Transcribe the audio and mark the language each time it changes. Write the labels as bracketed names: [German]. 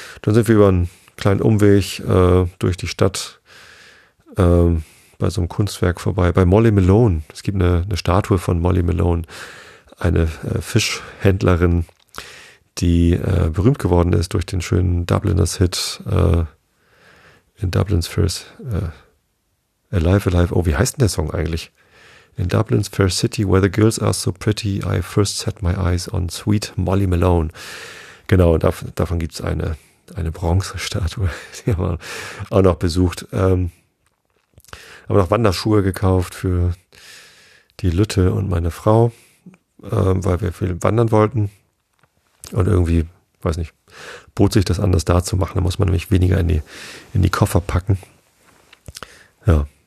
[German] Dann sind wir über einen kleinen Umweg durch die Stadt bei so einem Kunstwerk vorbei. Bei Molly Malone. Es gibt eine Statue von Molly Malone. Eine Fischhändlerin, die berühmt geworden ist durch den schönen Dubliners Hit In Dublin's Fair Alive, Alive. Oh, wie heißt denn der Song eigentlich? [English] In Dublin's Fair City, where the girls are so pretty, I first set my eyes on sweet Molly Malone. [German] Genau, und davon gibt es eine Bronzestatue, die haben wir auch noch besucht. Haben noch Wanderschuhe gekauft für die Lütte und meine Frau, weil wir viel wandern wollten. Und irgendwie, weiß nicht, bot sich das anders da zu machen. Da muss man nämlich weniger in die Koffer packen. Ja.